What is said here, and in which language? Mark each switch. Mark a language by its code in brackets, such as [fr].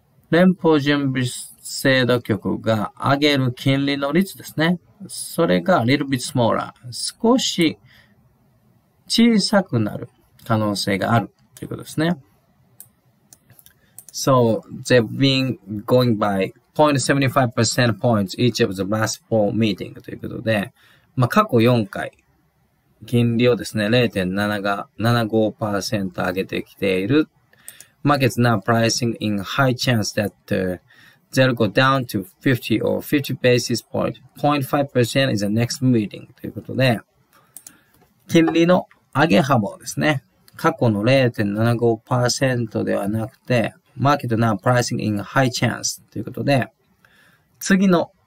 [ja] 連邦準備制度局が上げる金利の率ですね。それが [en] a little bit smaller. [ja] 少し小さくなる可能性があるということですね。 [en] So they've been going by 0.75% points each of the last four meetings [ja] ということで、まあ、過去4回。金利をですね、0.75% 上げてきている。 [en] Market's now pricing in high chance that、they'll go down to 50 or 50 basis point. 0.5% is the next meeting. [ja] ということで、金利の上げ幅をですね、過去の 0.75% ではなくて、 [en] Market now pricing in high chance. [ja] ということで、次の